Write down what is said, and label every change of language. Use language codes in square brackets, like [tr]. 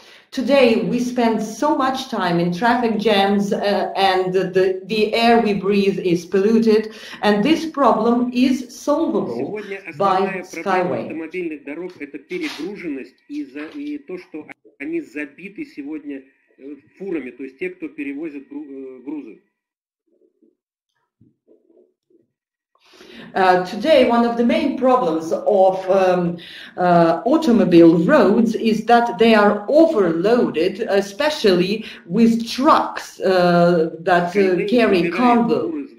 [en] Today we spend so much time in traffic jams and the air we breathe is polluted, and this problem is solvable by Skyway. [ru] Автомобильных дорог это перегруженность и то, что они забиты сегодня фурами, то есть те, кто перевозит грузы. [en] Today, one of the main problems of automobile roads is that they are overloaded, especially with trucks that carry cargo.